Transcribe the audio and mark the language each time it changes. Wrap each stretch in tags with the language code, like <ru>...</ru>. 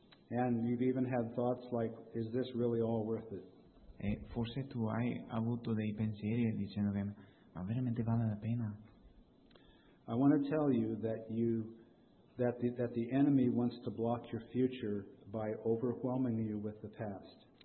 <en>And you've even had thoughts like, is this really all worth it?</en> <it>E forse tu hai avuto dei pensieri dicendo che, ma veramente vale la pena?</it> <en>I want to tell you that the enemy wants to block your future by overwhelming you with the past.</en>